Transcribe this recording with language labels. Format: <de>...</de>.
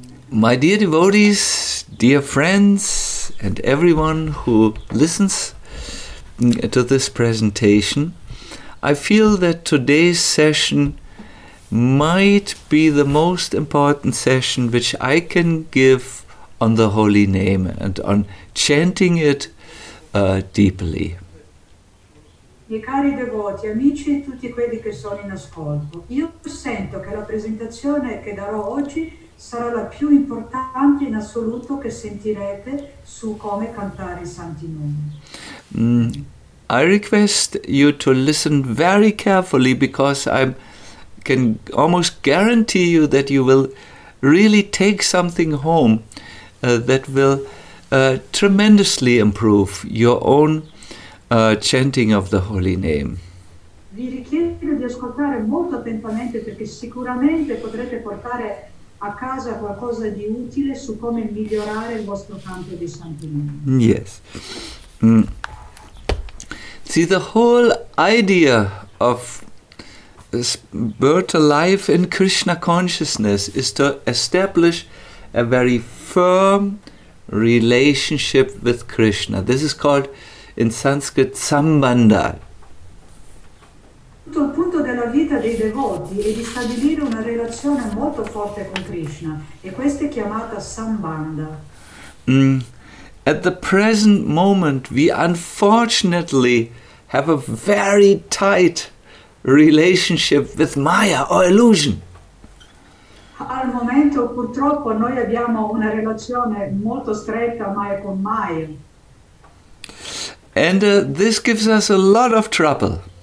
<en>My dear devotees, dear friends, and everyone who listens to this presentation, I feel that today's session might be the most important session which I can give on the holy name and on chanting it deeply.</en> <it>Miei cari devoti, amici e tutti quelli che sono in ascolto, io sento che la presentazione che darò oggi sarà la più importante in assoluto che sentirete su come cantare i santi nomi.</it> <en>I request you to listen very carefully because I can almost guarantee you that you will really take something home that will tremendously improve your own chanting of the holy name.</en> <it>Vi richiedo di ascoltare molto attentamente perché sicuramente potrete portare a casa qualcosa di utile su come migliorare il vostro canto dei santi nomi. Yes.</it> <en>See, the whole idea of spiritual life in Krishna consciousness is to establish a very firm relationship with Krishna. This is called in Sanskrit sambandha.</en> <it>Il punto della vita dei devoti è di stabilire una relazione molto forte con Krishna e questa è chiamata sambandha.</it> <en>At the present moment we unfortunately have a very tight relationship with Maya or illusion.</en> <it>Al momento purtroppo noi abbiamo una relazione molto stretta Maya con Maya.</it> <en>And this gives us a lot of trouble.</en>